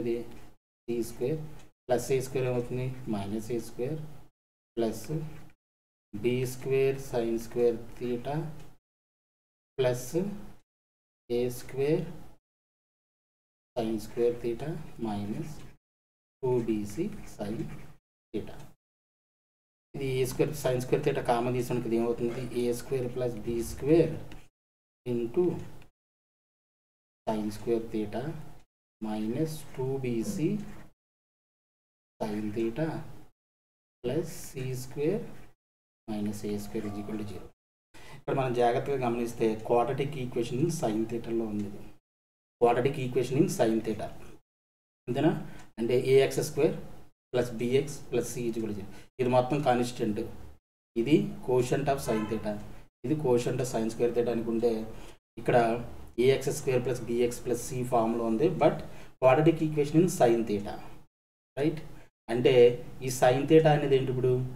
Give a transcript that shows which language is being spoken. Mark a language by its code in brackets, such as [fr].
[te] ఇది ఈ square plus ఏ square ఏమవుతుంది? [en] Minus a square plus b square sine square theta plus a square sine square theta minus two bc sine theta. [te] ఇది ఏ square sine square theta common తీసుకుంటే ఇది ఏమవుతుంది? [en] A square plus b square into sin square theta minus 2bc sin theta plus c square minus a square is equal to 0. [te] ఇక్కడ మనం జాగ్రత్తగా గమనిస్తే quadratic equation sin theta లో ఉంది. [en] Quadratic equation in sin theta అంతేనా? అంటే ax square plus bx plus c is equal to 0. [te] ఇది మొత్తం కాన్స్టెంట్. ఇది కోషెంట్ ఆఫ్ sin theta, ఇది quotient of sin square theta అనుకుంటే ఇక్కడ ax square plus bx plus c form లో ఉంది, [en] But quadratic equation in sine theta. Right? [te] అంటే ఈ సైన్ థీటా అనేది ఏంటి ఇప్పుడు?